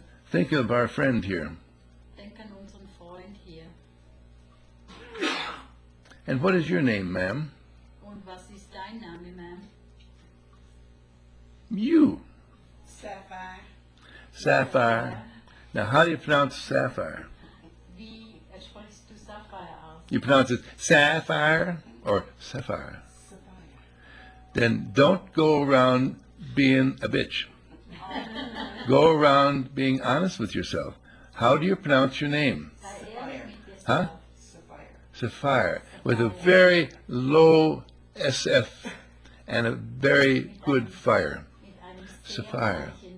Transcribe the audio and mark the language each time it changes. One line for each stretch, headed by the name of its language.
English: Think of our friend here.
German: Denk an unseren Freund hier.
English: And what is your name, ma'am?
German: Und was ist dein Name, ma'am?
English: You. Sapphire. Sapphire. Now, how do you pronounce sapphire?
German: Wie sprichst du sapphire aus?
English: You pronounce it sapphire or sapphire. Sapphire. Then don't go around being a bitch. Go around being honest with yourself. How do you pronounce your name? Sapphire. Huh? Sapphire. Sapphire. With a very low SF and a very good fire. Sapphire.